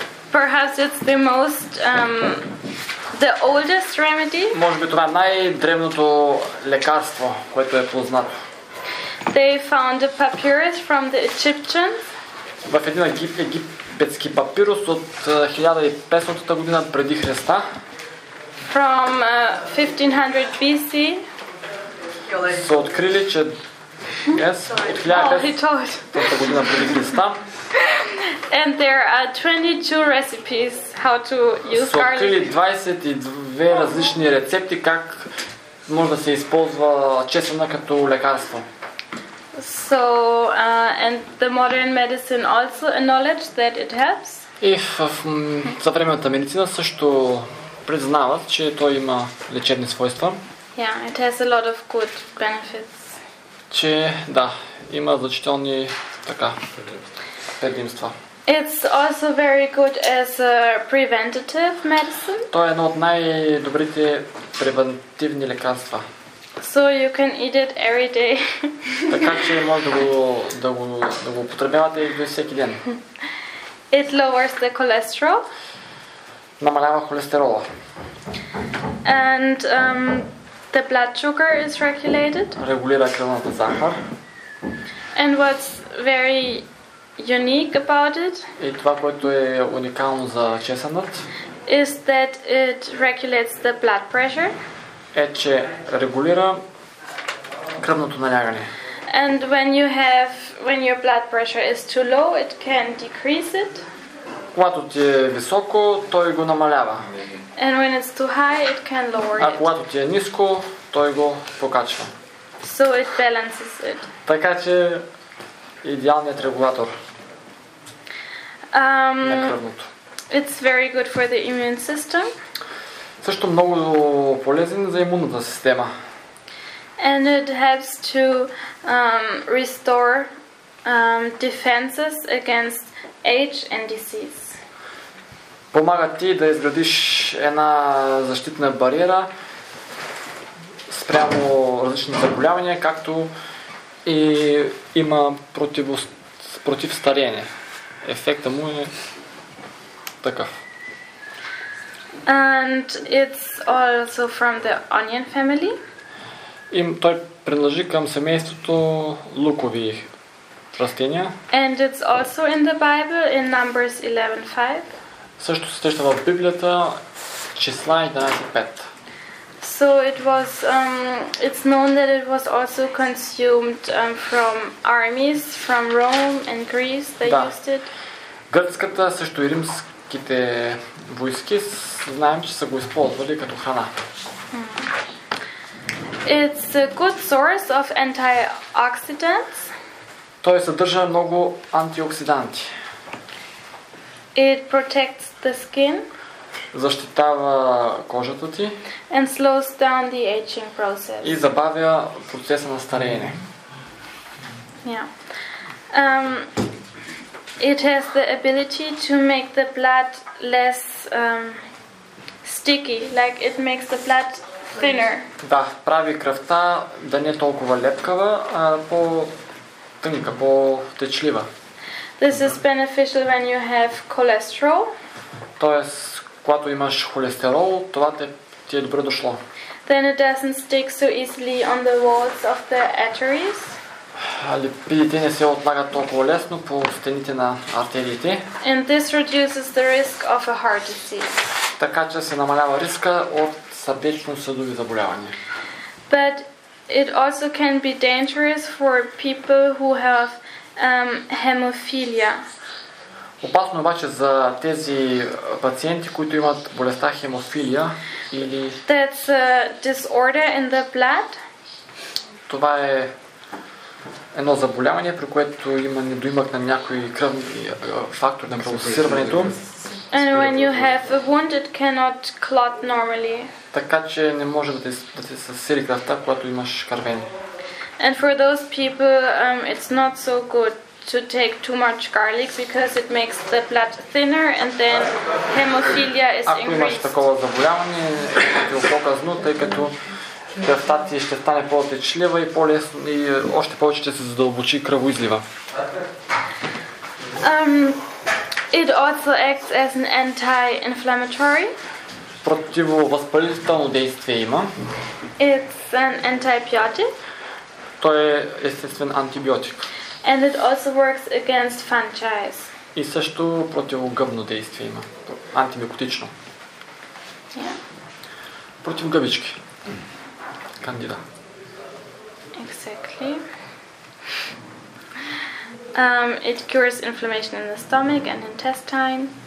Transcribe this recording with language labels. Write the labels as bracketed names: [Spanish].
[English] Perhaps it's the most the oldest remedy. [Bulgarian] Може би това е най-древното лекарство, което е познато. [English] They found a papyrus from the Egyptians. [Bulgarian] В един египетски папирус от 1500 година преди Христа. [English] From 1500 BC. [Bulgarian] Са открили, че [English] yes, [Bulgarian] от 1500 година преди Христа. [English] And there are 22 recipes how to use garlic. [Bulgarian] Са открили 22 различни рецепти как може да се използва чеснъка като лекарство. [English] So and the modern medicine also acknowledged that it helps. [Bulgarian] И в съвременната медицина също признават, че той има лечебни свойства. [English] Yeah, it has a lot of good benefits. [Bulgarian] Че да, има значителни така предимства. [English] It's also very good as a preventative medicine. [Bulgarian] Той е едно от най-добрите превентивни лекарства. [English] So you can eat it every day. [Bulgarian] Така че може да го употребявате и всеки ден. [English] It lowers the cholesterol. [Bulgarian] Намалява холестерола. [English] And the blood sugar is regulated. [Bulgarian] Регулира кръвната захар. [English] And what's very unique about it? [Bulgarian] И това, което е уникално за чеснът, [English] is that it regulates the blood pressure. [Bulgarian] Е, че регулира кръвното налягане. [English] And when your blood pressure is too low, it can decrease it. [Bulgarian] Когато ти е високо, той го намалява. [English] And when it's too high, it can lower it. [Bulgarian] А когато ти е ниско, той го покачва. [English] So it balances it. [Bulgarian] Така че идеалният регулатор на кръвното. [English] It's very good for the immune system. [Bulgarian] Също много полезен за имунната система. [English] And it helps to restore defenses against age and disease. [Bulgarian] Помага ти да изградиш една защитна бариера спрямо различни заболявания, както и има против стариене. Ефектът му е такъв. [English] And it's also from the onion family. [Bulgarian] И той принадлежи към семейството лукови растения. [English] And it's also in the Bible in Numbers 11:5. [Bulgarian] Също се среща в Библията числа 11:5. [English] So it was it's known that it was also consumed from armies from Rome and Greece they [Bulgarian] да. [English] Used it. [Bulgarian] Гръцката също и римските войски знаем, че са го използвали като храна. [English] It's a good source of antioxidants. [Bulgarian] Той съдържа много антиоксиданти. [English] It protects the skin. [Bulgarian] Защитава кожата ти. [English] And slows down the aging process. [Bulgarian] И забавя процеса на стареене. [English] Yeah. It has the ability to make the blood less sticky, like it makes the blood thinner. [Bulgarian] Да, прави кръвта да не е толкова лепкава, а по-тънка, по-течлива. [English] This is beneficial when you have cholesterol. [Bulgarian] Тоест, когато имаш холестерол, това ти е добре дошло. [English] Then it doesn't stick so easily on the walls of the arteries. [Bulgarian] Липидите не се отлагат толкова лесно по стените на артериите. [English] And this reduces the risk of a heart disease. [Bulgarian] Така че се намалява риска от сърдечно-съдови заболявания. [English] But it also can be dangerous for people who have hemophilia. [Bulgarian] Опасно обаче за тези пациенти, които имат болестта хемофилия или [English] That's a disorder in the blood. [Bulgarian] Това е едно заболяване, при което има недоимък на някой кръвни фактор на кръвосъсирването. [English] And when you have a wound, it cannot clot normally. [Bulgarian] Така че не може да ти се съсири кръвта, когато имаш кървене. [English] And for those people, it's not so good to take too much garlic because it makes the blood thinner and then hemophilia is increased. [Bulgarian] Ако имаш такова заболяване, е по-казно, тъй като кръвта ти ще стане по-течлива и по-лесно и още повече ще се задълбочи кръвоизлива. [English] It also acts as an anti-inflammatory. [Bulgarian] Противовъзпалително действие има. [English] It's an antibiotic. [Bulgarian] Той е естествен антибиотик. [English] And it also works against fungi. [Bulgarian] И също противогъбно действие има. Антибиотично. [English] Yeah. [Bulgarian] Против гъбички. Кандида. [English] Exactly. It cures inflammation in the stomach and intestine.